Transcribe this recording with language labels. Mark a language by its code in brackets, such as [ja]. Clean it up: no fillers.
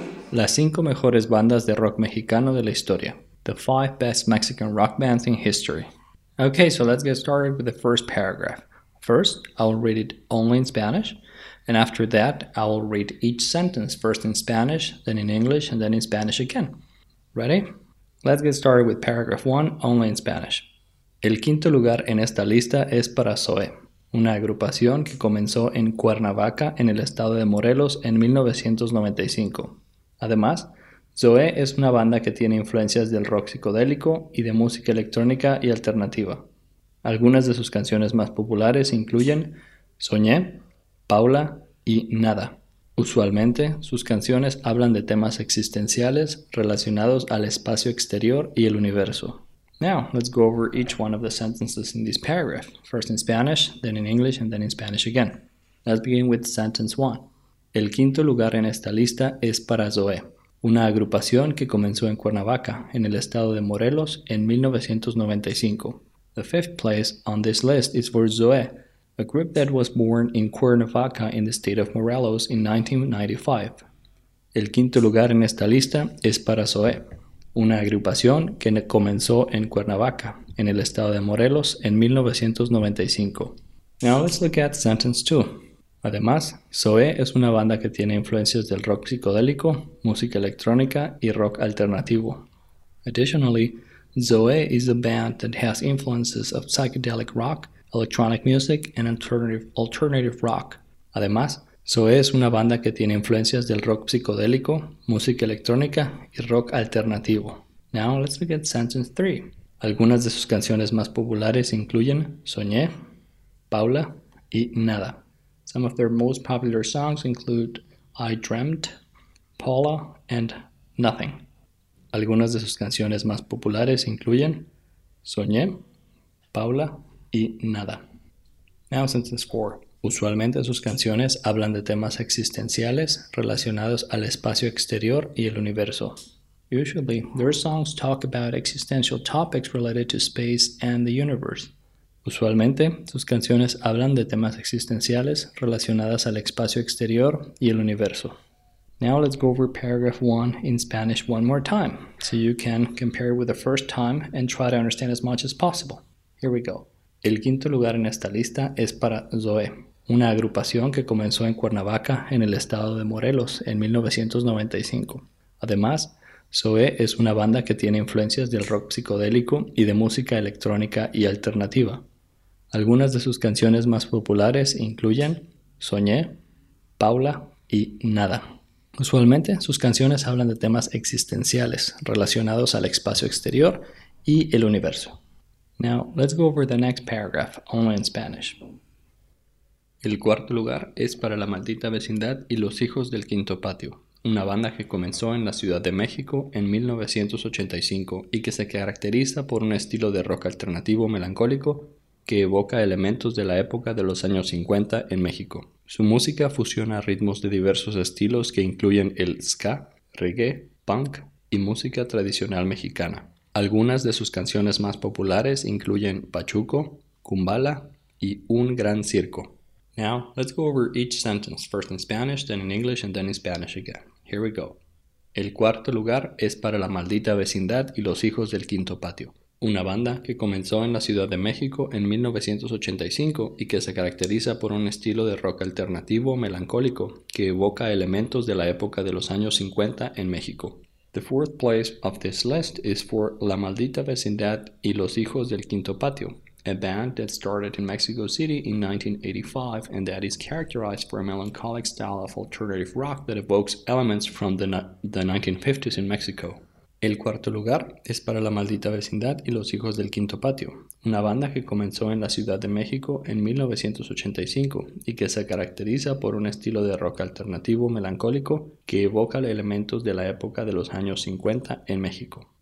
[es] Las cinco mejores bandas de rock mexicano de la historia. [en] The 5 best Mexican rock bands in history. Okay, so let's get started with the first paragraph. First, I will read it only in Spanish. And after that, I will read each sentence first in Spanish, then in English, and then in Spanish again. Ready? Let's get started with paragraph 1, only in Spanish. [es] El quinto lugar en esta lista es para Zoe, una agrupación que comenzó en Cuernavaca, en el estado de Morelos, en 1995. Además, Zoe es una banda que tiene influencias del rock psicodélico y de música electrónica y alternativa. Algunas de sus canciones más populares incluyen Soñé, Paula y Nada. Usualmente, sus canciones hablan de temas existenciales relacionados al espacio exterior y el universo. [en] Now, let's go over each one of the sentences in this paragraph. First in Spanish, then in English, and then in Spanish again. Let's begin with sentence 1. [es] El quinto lugar en esta lista es para Zoe, una agrupación que comenzó en Cuernavaca, en el estado de Morelos, en 1995. [en] The fifth place on this list is for Zoe, a group that was born in Cuernavaca in the state of Morelos in 1995. [es] El quinto lugar en esta lista es para Zoe, una agrupación que comenzó en Cuernavaca, en el estado de Morelos, en 1995. [en] Now let's look at sentence 2. [es] Además, Zoe es una banda que tiene influencias del rock psicodélico, música electrónica y rock alternativo. [en] Additionally, Zoe is a band that has influences of psychedelic rock, electronic music, and alternative rock. [es] Además, Zoe es una banda que tiene influencias del rock psicodélico, música electrónica y rock alternativo. [en] Now let's look at sentence 3. [es] Algunas de sus canciones más populares incluyen Soñé, Paula y Nada. [en] Some of their most popular songs include I Dreamt, Paula, and Nothing. [es] Algunas de sus canciones más populares incluyen Soñé, Paula y Nada. [en] Now sentence 4. [es] Usualmente sus canciones hablan de temas existenciales relacionados al espacio exterior y el universo. [en] Usually, their songs talk about existential topics related to space and the universe. [es] Usualmente, sus canciones hablan de temas existenciales relacionadas al espacio exterior y el universo. [en] Now let's go over paragraph 1 in Spanish one more time, so you can compare it with the first time and try to understand as much as possible. Here we go. [es] El quinto lugar en esta lista es para Zoe, una agrupación que comenzó en Cuernavaca, en el estado de Morelos, en 1995. Además, Zoe es una banda que tiene influencias del rock psicodélico y de música electrónica y alternativa. Algunas de sus canciones más populares incluyen Soñé, Paula y Nada. Usualmente, sus canciones hablan de temas existenciales relacionados al espacio exterior y el universo. [en] Now, let's go over the next paragraph, only in Spanish. [es] El cuarto lugar es para La Maldita Vecindad y Los Hijos del Quinto Patio, una banda que comenzó en la Ciudad de México en 1985 y que se caracteriza por un estilo de rock alternativo melancólico que evoca elementos de la época de los años 50 en México. Su música fusiona ritmos de diversos estilos que incluyen el ska, reggae, punk y música tradicional mexicana. Algunas de sus canciones más populares incluyen Pachuco, Cumbala y Un Gran Circo. [en] Now, let's go over each sentence, first in Spanish, then in English, and then in Spanish again. Here we go. [es] El cuarto lugar es para la maldita vecindad y los hijos del quinto patio, una banda que comenzó en la Ciudad de México en 1985 y que se caracteriza por un estilo de rock alternativo melancólico que evoca elementos de la época de los años 50 en México. [en] The fourth place of this list is for La Maldita Vecindad y Los Hijos del Quinto Patio, a band that started in Mexico City in 1985 and that is characterized for a melancholic style of alternative rock that evokes elements from the 1950s in Mexico. [es] El cuarto lugar es para La Maldita Vecindad y Los Hijos del Quinto Patio, una banda que comenzó en la Ciudad de México en 1985 y que se caracteriza por un estilo de rock alternativo melancólico que evoca elementos de la época de los años 50 en México.